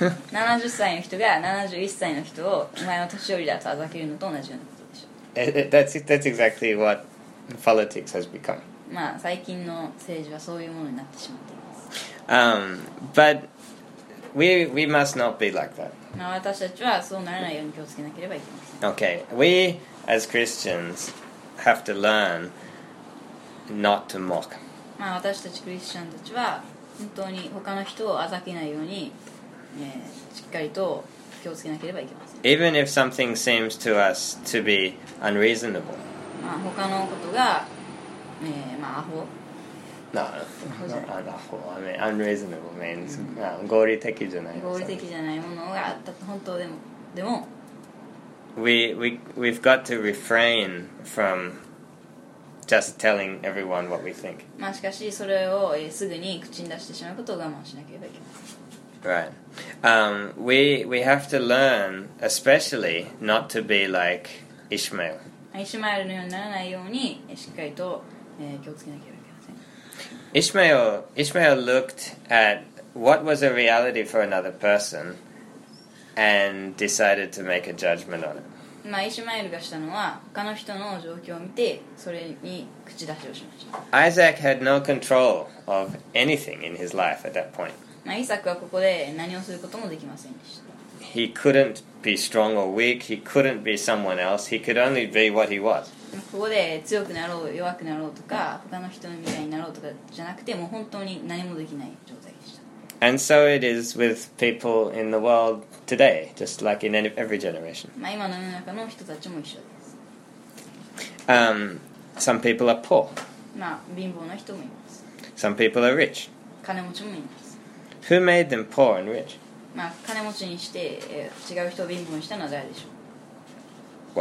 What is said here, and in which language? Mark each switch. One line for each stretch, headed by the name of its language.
Japanese: 70歳の人が71歳の人を前の年寄りだとあざけるのと同じようなことでしょう。
English: That's exactly what politics has become.
Japanese: まあ、最近の政治はそういうものになってしまっています。
English: But we must not be like that.
Japanese: まあ、私たちはそうならないように気をつけなければいけません。
English: Okay, we... As Christians, have to learn not to mock.
Japanese: まあ、私たちクリスチャンたちは本当に他の人をあざけないようにしっかりと気をつけなければいけません。
English: Even if something seems to us to be unreasonable、
Japanese: まあ、他のことが、まあ、アホ
English: No, not an awful. I mean, unreasonable means、
Japanese: 合理的じゃない。合理的じゃないものがあったと本当でも、でも。
English: We've got to refrain from just telling everyone what we think.
Japanese: まあしかしそれをすぐに口に出してしまうことを我慢しなければいけません。
English: Right. We have to learn, especially, not to be like Ishmael.
Japanese: イシュマエルのようにならないようにしっかりと、気をつけなければ。
English: Ishmael looked at what was a reality for another person and decided to make a judgment on it.
Japanese: まあ、イシュマエルがしたのは他の人の状況を見てそれに口出しをしました。
English: Isaac had no control of anything in his life at that point.
Japanese: まあ、イサクはここで何をすることもできませんでした。
English: He couldn't be strong or weak. He couldn't be someone else. He could only be what he was.
Japanese: ここで強くなろう弱くなろうとか他の人みたいになろうとかじゃなくてもう本当に何もできない状態でした。
English: And so it is with people in the world today, just like in every generation.
Japanese: まあ今の世の中の人たちも一緒です。
English: Some people are poor.
Japanese: まあ貧乏な人もいます。
English: Some people are rich.
Japanese: 金持ちもいます。
English: Who made them poor and rich?
Japanese: まあ金持ちにして違う人を貧乏にしたのは誰でしょう。